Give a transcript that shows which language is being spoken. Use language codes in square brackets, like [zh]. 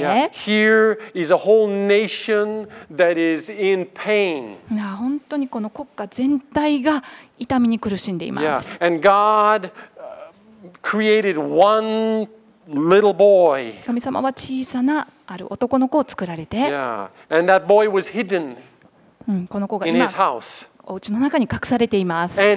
[en] Yeah. Here is a whole nation that is in pain. [ja] 本当にこの国家全体が痛みに苦しんでいます。 [en] Yeah. And God created one little boy. [ja] 神様は小さなある男の子を作られて。 [en] Yeah. And that boy was hidden. [ja] この子が今お家の中に隠されています。